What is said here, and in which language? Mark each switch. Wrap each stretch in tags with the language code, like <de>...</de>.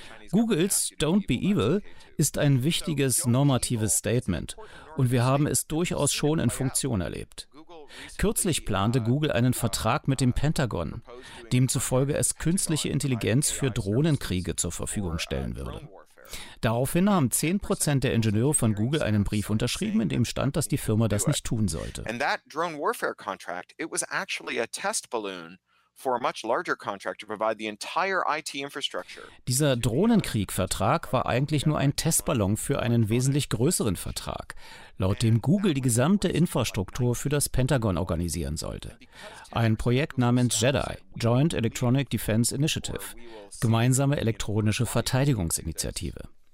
<de>Googles</de> <en>"Don't be evil"</en> <de>ist ein wichtiges normatives Statement und wir haben es durchaus schon in Funktion erlebt. Kürzlich plante Google einen Vertrag mit dem Pentagon, demzufolge es künstliche Intelligenz für Drohnenkriege zur Verfügung stellen würde. Daraufhin haben 10% der Ingenieure von Google einen Brief unterschrieben, in dem stand, dass die Firma das nicht tun sollte.</de> <en>And that drone warfare contract, it was actually a test balloon for a much larger contract to provide the entire IT infrastructure.</en> <de>Dieser Drohnenkriegvertrag war eigentlich nur ein Testballon für einen wesentlich größeren Vertrag, laut dem Google die gesamte Infrastruktur für das Pentagon organisieren sollte. Ein Projekt namens JEDI, Joint Electronic Defense Initiative, gemeinsame elektronische Verteidigungsinitiative.</de>